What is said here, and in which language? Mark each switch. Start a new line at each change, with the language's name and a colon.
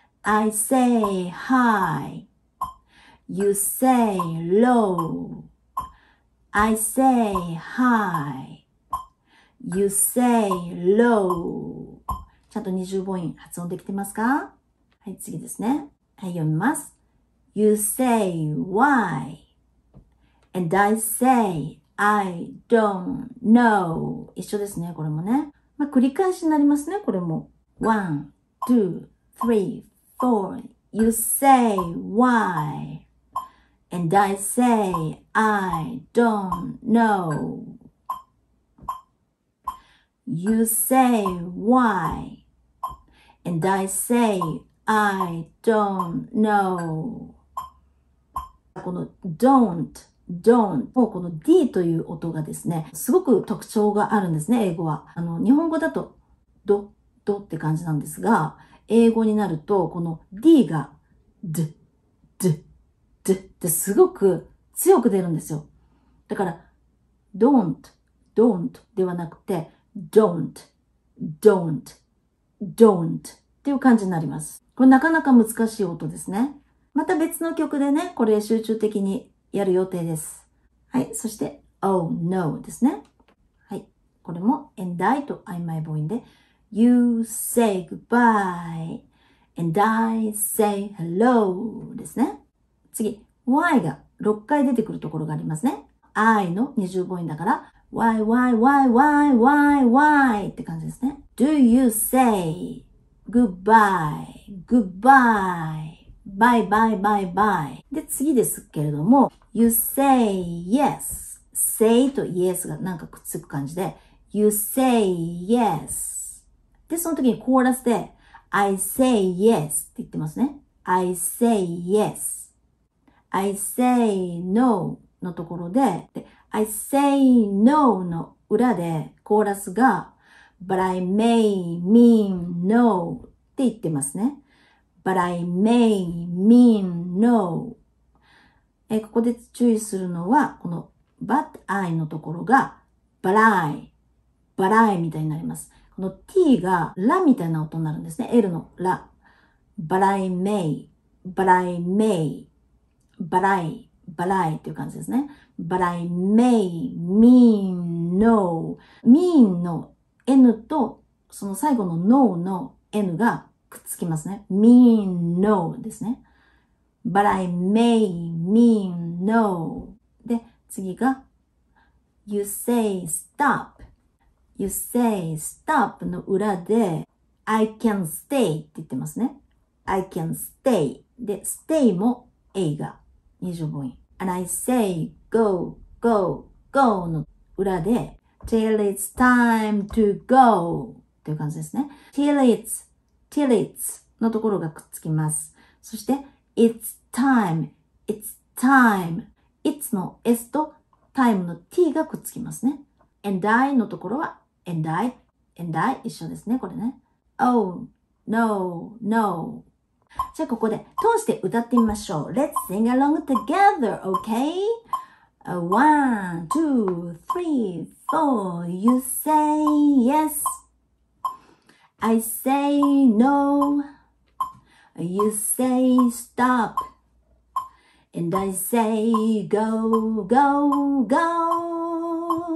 English: I say hi, you say low. I say hi, you say low.
Japanese: ちゃんと二重母音発音できてますか？はい、次ですね。はい、読みます。
English: You say why, and I say I don't know.
Japanese: 一緒ですね、これもね。まあ、繰り返しになりますね、これも。
English: One, two, three, four. You say why, and I say I don't know. You say why, and I say I don't know。
Japanese: この don't、don't もこの D という音がですね、すごく特徴があるんですね、英語は。日本語だとド、ドって感じなんですが、英語になるとこの D がD、D、D ってすごく強く出るんですよ。だから don't、don't ではなくて don't、don't、don't っていう感じになります。これなかなか難しい音ですね。また別の曲でね、これ集中的にやる予定です。はい、そして Oh no ですね。はい、これも
English: And I と I my boy で You say goodbye And I say hello ですね。
Japanese: 次 Why が6回出てくるところがありますね。I の二重母音だから Why why why why why why って感じですね。
English: Do you say goodbye goodbye bye bye bye bye で、次ですけれども、You say yes。
Japanese: say と yes がなんかくっつく感じで You say yes。で、その時にコーラスで I say yes って言ってますね。
English: I say yes。
Japanese: I say no のところ で I say no の裏でコーラスが
English: But I may mean no
Japanese: って言ってますね。
English: But I may mean no。
Japanese: ここで注意するのは、この but I のところが but I、but I みたいになります。この t がラみたいな音になるんですね。 l のラ。 but I may、but I may、but I、but I っていう感じですね。 but I may mean no。 mean の n とその最後の no の n がくっつきますね。
English: mean no ですね。But I may mean no.
Japanese: で、次が
English: You say stop.
Japanese: You say stop の裏で I can stay って言ってますね。
English: I can stay.
Japanese: で、stay も A が二重母音。
English: And I say go, go, go の裏で Till it's time to go
Japanese: っていう感じですね。 Till it's, till it's のところがくっつきます。そして
English: It's time, it's time.
Japanese: It's の S と time の T がくっつきますね。 And I のところは And I, and I 一緒ですね、これね。
English: Oh, no, no.
Japanese: じゃあここで通して歌ってみましょう。
English: Let's sing along together, okay? One, two, three, four. You say yes. I say no. You say stop, and I say go, go, go.